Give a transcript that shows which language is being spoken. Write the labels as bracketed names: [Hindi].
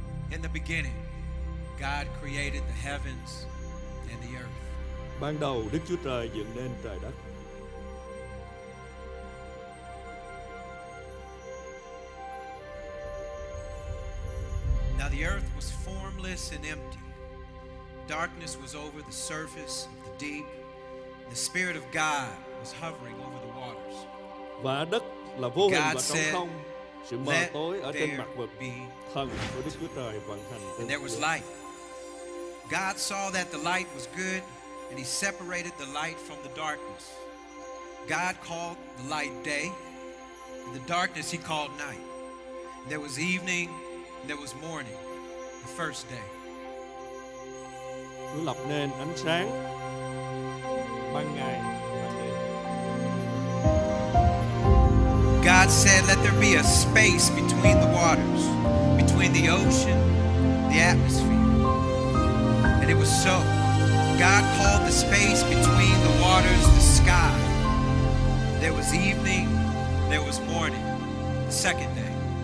[English] In the beginning, God created the heavens and the earth. [Vietnamese] Ban đầu Đức Chúa Trời dựng nên trời đất. [English] Now the earth was formless and empty. Darkness was over the surface of the deep. The Spirit of God was hovering over the waters. [Vietnamese] Và đất là vô hình và trống không. Sự mờ tối ở trên mặt vực, thần của Đức Chúa Trời vận hành. [English] And there was light. God saw that the light was good, and he separated the light from the darkness. God called the light day, and the darkness he called night. And there was evening, and there was morning, the first day. [Vietnamese] Chúa lập nên ánh sáng ban ngày. [English] God said, let there be a space between the waters, between the ocean, the atmosphere. And it was so. God called the space between the waters the sky. There was evening, there was morning, the second day.